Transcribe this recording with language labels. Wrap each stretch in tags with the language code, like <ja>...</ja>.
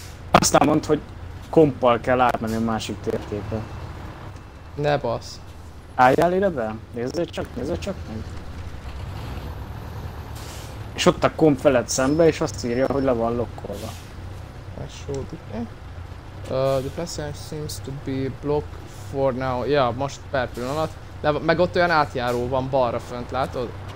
<hu>Aztán mondd, hogy komppal kell átmenni a másik térképre. Ne basz. Álljál ide be? Nézzél csak meg. És ott a komp feled szembe, és azt írja, hogy le van lokkolva. Második-e?</hu> <en>The passage seems to be blocked for now.</en> <hu>Ja, most per pillanat. Meg ott olyan átjáró van balra fönt, látod?</hu>